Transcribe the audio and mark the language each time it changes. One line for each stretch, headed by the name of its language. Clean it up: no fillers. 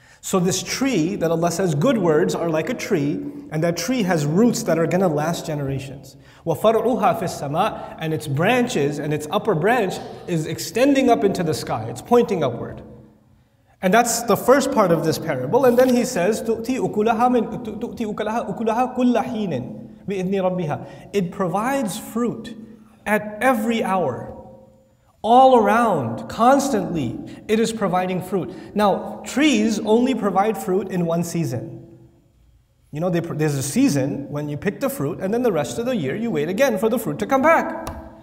English: So this tree that Allah says, good words are like a tree, and that tree has roots that are going to last generations.
Arabic: وَفَرْعُهَا فِي السَّمَاءِ.
English: And its branches and its upper branch is extending up into the sky, it's pointing upward. And that's the first part of this parable. And then he says,
Arabic: تُؤْتِي أُكُلَهَا كُلَّ حِينٍ بِإِذْنِ رَبِّهَا.
English: It provides fruit at every hour. All around, constantly, it is providing fruit. Now, trees only provide fruit in one season. You know, there's a season when you pick the fruit, and then the rest of the year you wait again for the fruit to come back.